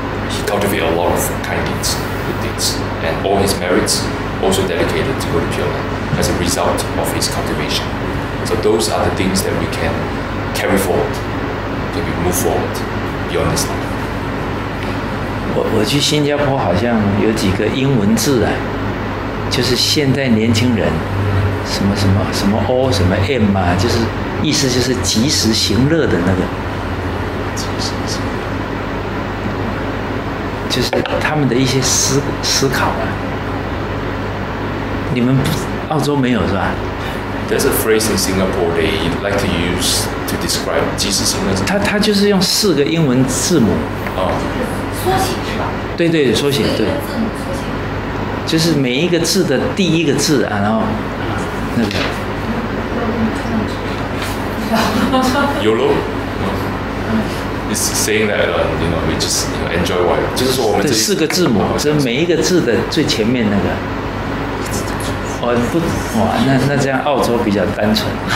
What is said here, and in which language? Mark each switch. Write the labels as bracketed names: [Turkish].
[English] He cultivated a lot of kind deeds, good deeds. And all his merits also dedicated to Buddha Pure Land as a result of his cultivation. So those are the things that we can carry forward, that we move forward beyond this life. [Chinese] 我去新加坡好像有几个英文字啊，就是现代年轻人什么什么什么 O 什么 M 啊，就是意思就是及时行乐的那个，就是他们的一些思考啊。你们澳洲没有是吧？ [English] There's a phrase in Singapore they like to use to describe Jesus. [Chinese] 他就是用四个英文字母。哦。缩写是吧？对对，缩写对。就是每一个字的第一个字啊，然后那个。 [English] YOLO. It's saying that you know we just enjoy life. [Chinese] 就是说我们这四个字母，就是每一个字的最前面那个。哦、oh, ，不，哇，那这样澳洲比较单纯。